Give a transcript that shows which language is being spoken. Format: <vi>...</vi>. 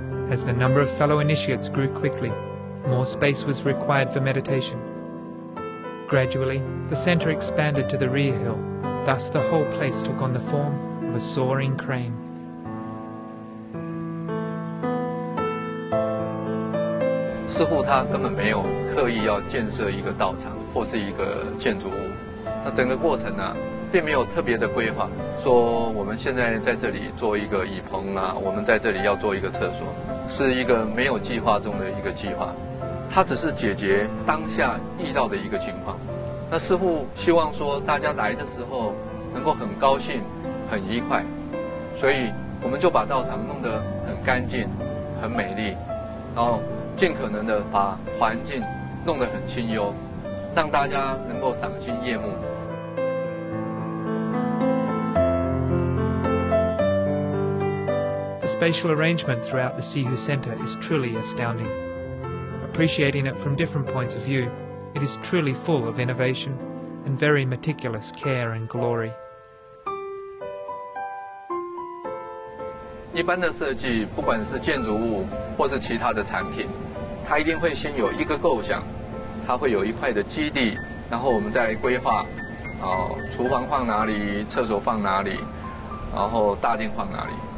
<en>As the number of fellow initiates grew quickly, more space was required for meditation. Gradually, the center expanded to the rear hill, thus the whole place took on the form of a soaring crane.</en> <zh>Sihu 他根本没有刻意要建设一个道场或是一个建筑物，那整个过程呢？并没有特别的规划，说我们现在在这里做一个椅棚啊，我们在这里要做一个厕所，是一个没有计划中的一个计划。它只是解决当下遇到的一个情况。那师父希望说大家来的时候能够很高兴、很愉快，所以我们就把道场弄得很干净、很美丽，然后尽可能的把环境弄得很清幽，让大家能够赏心悦目。</zh> <en>The spatial arrangement throughout the Sihu Center is truly astounding. Appreciating it from different points of view, it is truly full of innovation and very meticulous care and glory.</en> <zh>一般的设计，不管是建筑物或是其他的产品，它一定会先有一个构想，它会有一块的基地，然后我们再来规划，厨房放哪里，厕所放哪里，然后大殿放哪里。</zh>